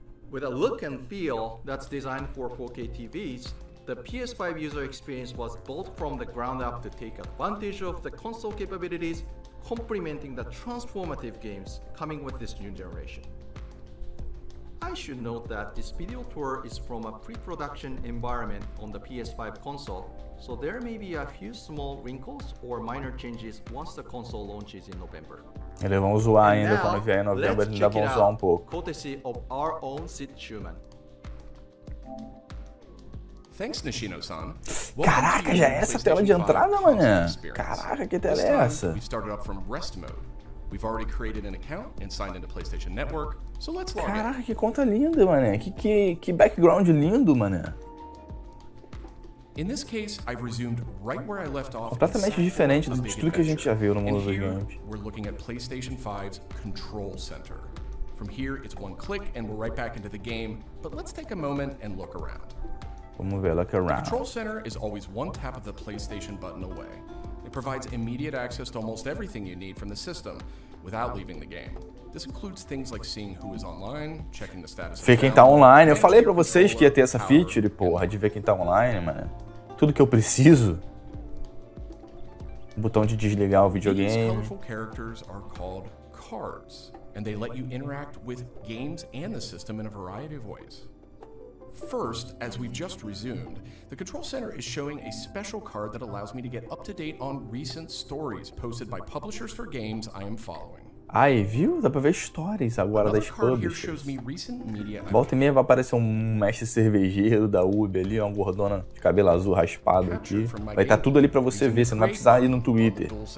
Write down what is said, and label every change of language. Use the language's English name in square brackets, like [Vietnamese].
[English] With a look and feel that's designed for 4K TVs, the PS5 user experience was built from the ground up to take advantage of the console capabilities, complementing the transformative games coming with this new generation. I should note that this video tour is from a pre-production environment on the PS5 console, so there may be a few small wrinkles or minor changes once the console launches in November. [Portuguese] Eles vão zoar ainda quando vier em novembro, eles ainda vão zoar um pouco. [English] Courtesy of our own Sid Schumann. Thanks, Nishino-san. [Portuguese] Caraca, já é essa tela de entrada, mané? Caraca, que tela é essa? [English] We started up from rest mode. We've already created an account and signed into PlayStation Network, so let's log [Portuguese] in. Caraca, que conta linda, mané. Que background lindo, mané. [English] In this case, I've resumed right where I left off. [Portuguese] Completamente diferente de tudo que a gente já viu no mundo dos games. [English] We're looking at PlayStation 5's control center. From here, it's one click and we're right back into the game, but let's take a moment and look around. [Portuguese] Vamos ver, [English] look around. The control center is always one tap of the PlayStation button away. Provides immediate access to almost everything you need from the system without leaving the game. This includes things like seeing who is online, checking the status [Portuguese] of quem tá online. Eu falei para vocês que ia ter essa feature, porra, de ver quem tá online, mano. Tudo que eu preciso. Botão de desligar o videogame. [English] These colorful characters are called cards, and they let you interact with games and the system in a variety of ways. First, as we've just resumed, the control center is showing a special card that allows me to get up to date on recent stories posted by publishers for games I am following. [Portuguese] Aí, viu? Dá pra ver stories agora das pubs. Volta e meia vai aparecer um mestre cervejeiro da Uber ali, uma gordona de cabelo azul raspado aqui. Vai estar tudo ali pra você ver, você não vai precisar ir no Twitter.